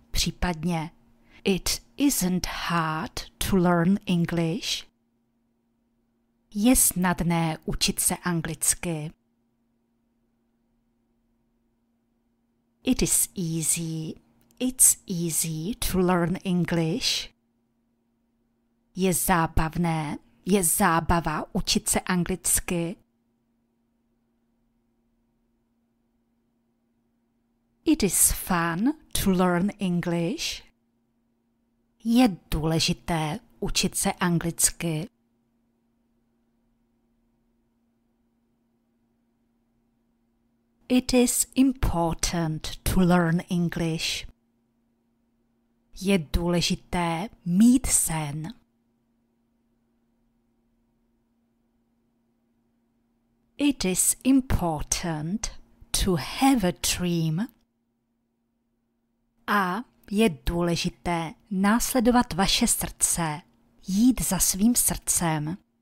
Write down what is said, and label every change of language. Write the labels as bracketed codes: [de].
[cs] Případně [en] it isn't hard to learn English. [cs] Je snadné učit se anglicky. [en] It is easy. It's easy to learn English. [cs] Je zábavné. Je zábava učit se anglicky. [en] It is fun to learn English. [cs] Je důležité učit se anglicky. [en] It is important to learn English. [cs] Je důležité mít sen. [en] It is important to have a dream. [cs] A je důležité následovat vaše srdce, jít za svým srdcem.